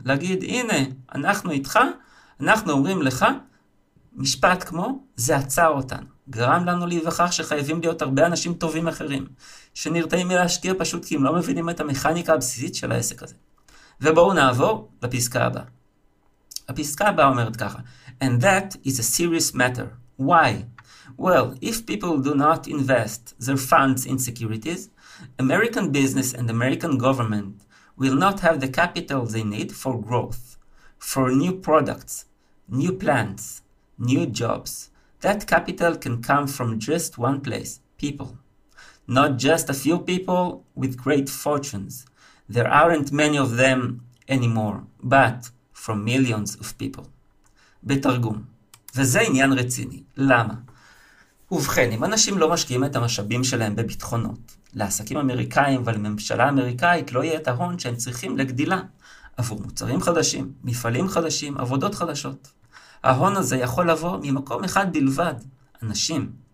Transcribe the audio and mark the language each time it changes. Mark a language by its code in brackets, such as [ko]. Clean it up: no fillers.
[he] להגיד, הנה, אנחנו איתך, אנחנו אומרים לך, משפט כמו, זה עצר אותנו. גרם לנו להיווכח שחייבים להיות הרבה אנשים טובים אחרים, שנרתעים מלהשקיע פשוט כי הם לא מבינים את המכניקה הבסיסית של העסק הזה. ובואו נעבור לפסקה הבאה. הפסקה הבאה אומרת ככה, [en] And that is a serious matter. Why? Well, if people do not invest their funds in securities, American business and American government will not have the capital they need for growth, for new products, new plants, new jobs. That capital can come from just one place, people. Not just a few people with great fortunes. There aren't many of them anymore, but from millions of people. [he] בתרגום. וזה עניין רציני. למה? ובכן, אם אנשים לא משקיעים את המשאבים שלהם בביטחונות, לעסקים אמריקאים ולממשלה אמריקאית לא יהיה את ההון שהם צריכים לגדילה עבור מוצרים חדשים, מפעלים חדשים, עבודות חדשות. ההון הזה יכול לבוא ממקום אחד בלבד, אנשים.